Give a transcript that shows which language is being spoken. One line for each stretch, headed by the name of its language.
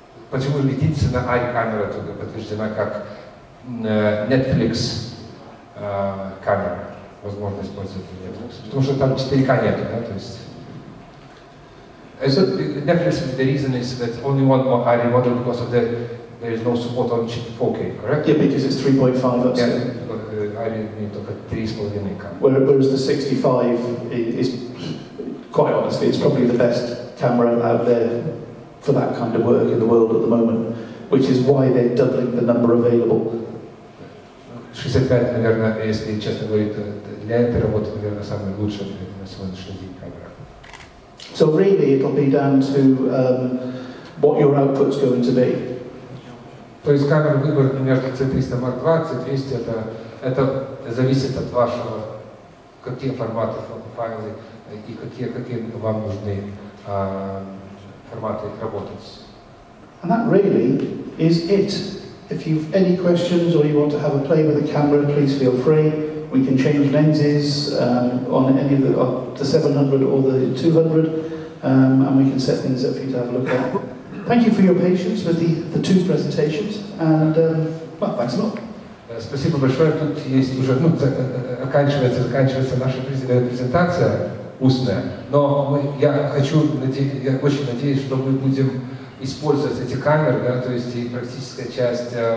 Russian: Почему единственная ARRI камера только подтверждена как Netflix камера? Возможно использовать Netflix. Потому что там 4К нету, да? То есть
English: Netflix, the reason is that only one more ARRI model because of the there is no support on 4K, correct? Yeah, because it's 3.5 upscale. Yeah, but ARRI need to get 3.5. Whereas the 65 is quite honestly, it's probably the best camera out there for that kind of work in the world at the moment, which is why they're doubling the number available.
Russian: 65, наверное, если честно говорить, для этой работы, наверное, самая лучшая на сегодняшний день камера.
English: So really, it'll be down to what your output's going to be.
Russian: То есть камера выбор между C300 Mark II, C200 это зависит от вашего, какие форматы файлы и какие вам нужны форматы работать.
English: And that really is it. If you've any questions or you want to have a play with the camera, please feel free. We can change lenses on any of the 700 or the 200, and we can set things up for you to have a look at. Thank you for your patience with the two presentations, and well, thanks a lot.
Russian: Спасибо большое. Тут есть уже заканчивается наша презентация устная. Но я хочу я очень надеюсь, что мы будем использовать эти камеры, да, то есть и практическая часть.